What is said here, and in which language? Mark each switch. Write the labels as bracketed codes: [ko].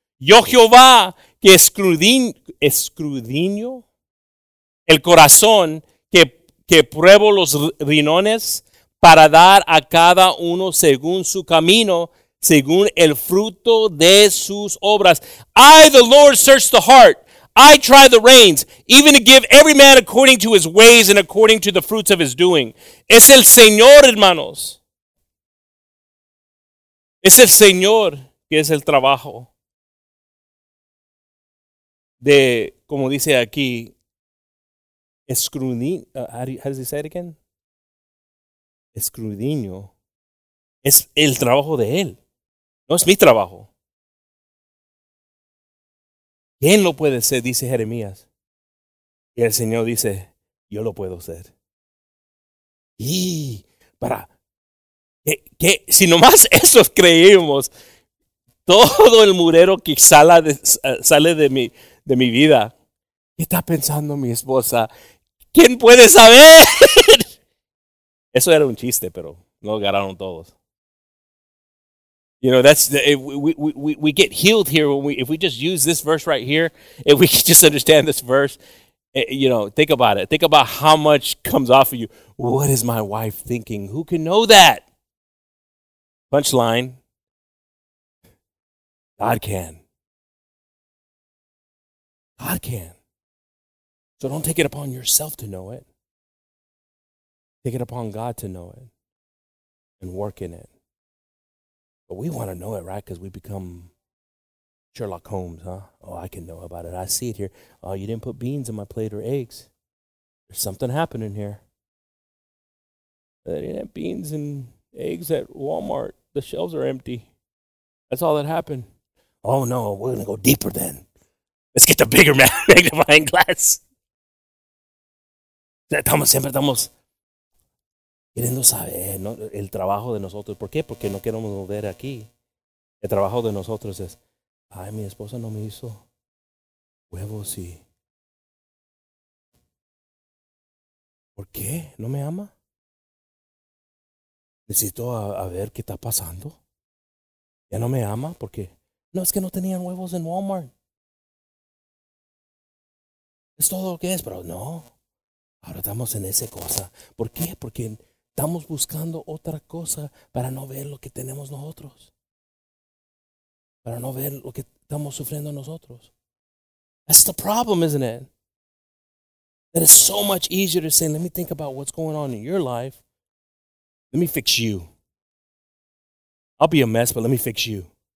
[es] Yo, Jehová, que escrudiño el corazón, que pruebo los riñones para dar a cada uno según su camino, según el fruto de sus obras. [en] I, the Lord, search the heart. I try the reins, even to give every man according to his ways and according to the fruits of his doing. Es el Señor, hermanos. Es el Señor que es el trabajo. De, como dice aquí, escrudiño. Es el trabajo de él. No es mi trabajo. ¿Quién lo puede ser? Dice Jeremías. Y el Señor dice, yo lo puedo ser. Y para que si nomás eso creemos, todo el murero que sale de mi vida, ¿qué está pensando mi esposa? ¿Quién puede saber? Eso era un chiste, pero no lo agarraron todos. You know, that's we get healed here if we just use this verse right here. If we could just understand this verse, you know, think about it. Think about how much comes off of you. What is my wife thinking? Who can know that? Punchline. God can. So don't take it upon yourself to know it. Take it upon God to know it and work in it. But we want to know it, right? Because we become Sherlock Holmes, huh? Oh, I can know about it. I see it here. Oh, you didn't put beans in my plate or eggs. There's something happening here. They didn't have beans and eggs at Walmart. The shelves are empty. That's all that happened. Oh, no, we're going to go deeper then. Let's get the bigger magnifying glass. [es] Siempre estamos queriendo saber, ¿no?, el trabajo de nosotros. ¿Por qué? Porque no queremos volver aquí. El trabajo de nosotros es, ay, mi esposa no me hizo huevos y... ¿Por qué? ¿No me ama? ¿Necesito a ver qué está pasando? ¿Ya no me ama? ¿Por qué? No, es que no tenían huevos en Walmart. Es todo lo que es, pero no. Ahora estamos en esa cosa. ¿Por qué? Porque estamos buscando otra cosa para no ver lo que tenemos nosotros. Para no ver lo que estamos sufriendo nosotros. [en] That's the problem, isn't it? That is so much easier to say, let me think about what's going on in your life. Let me fix you. I'll be a mess, but let me fix you.